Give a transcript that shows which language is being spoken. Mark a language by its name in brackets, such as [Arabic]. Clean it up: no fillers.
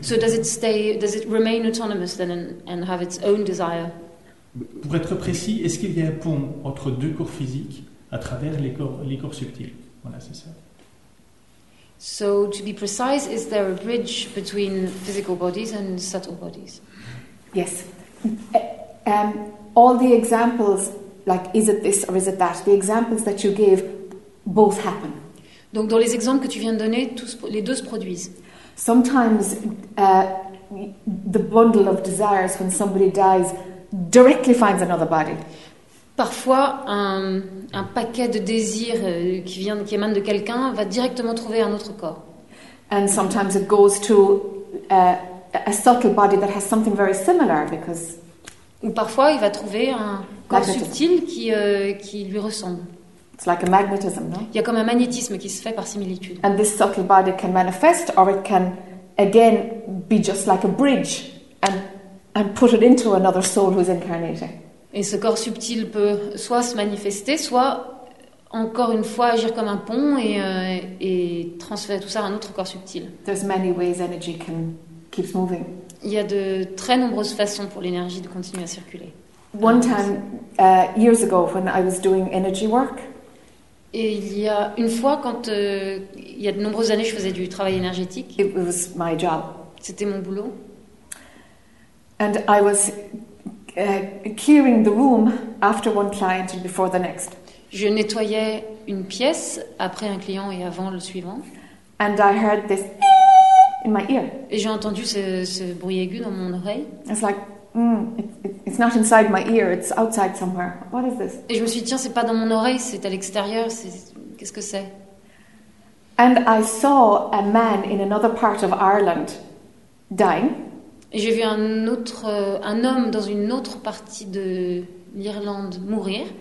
[English] So does it remain autonomous then and have its own desire? [French] Pour être précis, est-ce qu'il y a un pont entre deux corps physiques à travers les corps subtils? Voilà, c'est ça. [English] So to be precise, is there a bridge between physical bodies and subtle bodies? Yes. All the examples, like is it this or is it that, the examples that you gave, both happen. [French] Donc dans les exemples que tu viens de donner, les deux se produisent. [English] Sometimes the bundle of desires when somebody dies directly finds another body. [French] Parfois, un paquet de désirs qui émane de quelqu'un va directement trouver un autre corps. [English] And sometimes it goes to a subtle body that has something very similar because. [French] Ou parfois il va trouver un corps subtil qui lui ressemble. [English] It's like a magnetism, no? [French] Il y a comme un magnétisme qui se fait par similitude. [English] And this subtle body can manifest, or it can again be just like a bridge and put it into another soul who's incarnating. [French] Et ce corps subtil peut soit se manifester, soit encore une fois agir comme un pont et transférer tout ça à un autre corps subtil. [English] There's many ways energy can. [French] Il y a de très nombreuses façons pour l'énergie de continuer à circuler. [English] One time, years ago, when I was doing energy work. [French] Et il y a une fois, il y a de nombreuses années, je faisais du travail énergétique. [English] It was my job. [French] C'était mon boulot. [English] And I was clearing the room after one client and before the next. [French] Je nettoyais une pièce après un client et avant le suivant. [English] And I heard this. In my ear. [French] Et j'ai entendu ce bruit aigu dans mon oreille. [English] It's like, it's not inside my ear, it's outside somewhere. What is this? [French] Et je me suis dit, tiens, c'est pas dans mon oreille, c'est à l'extérieur. Qu'est-ce que c'est? [English] And I saw a man in another part of Ireland dying. [French] Et j'ai vu un homme dans une autre partie de l'Irlande mourir.